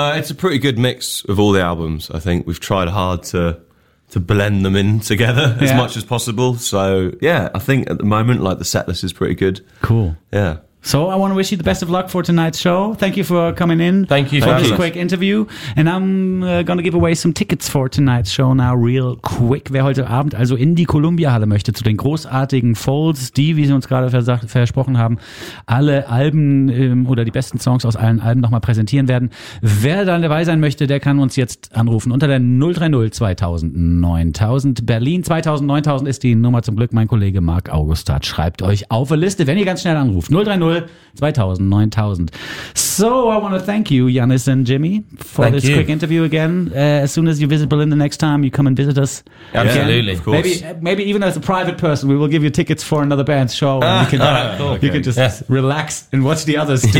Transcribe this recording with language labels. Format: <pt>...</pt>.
<en>It's a pretty good mix of all the albums. I think we've tried hard to blend them in together as much as possible. So, yeah, I think at the moment, like, the set list is pretty good. Cool. Yeah. So I want to wish you the best of luck for tonight's show. Thank you for coming in. Thank you for this quick interview. And I'm going to give away some tickets for tonight's show now real quick.</en> <de>Wer heute Abend also in die Columbia-Halle möchte, zu den großartigen Folds, die, wie sie uns gerade versprochen haben, alle Alben oder die besten Songs aus allen Alben nochmal präsentieren werden. Wer dann dabei sein möchte, der kann uns jetzt anrufen unter der 030 2009000. Berlin 2009000 ist die Nummer. Zum Glück, mein Kollege Marc Augustat schreibt euch auf eine Liste, wenn ihr ganz schnell anruft. 030 2009000.</de> <en>So I want to thank you, Yannis and Jimmy, for thank this you. Quick interview again. As soon as you visit Berlin the next time, you come and visit us. Absolutely, again. Of course. Maybe even as a private person, we will give you tickets for another band's show. And you can, all right, cool. You can just relax and watch the others do</en>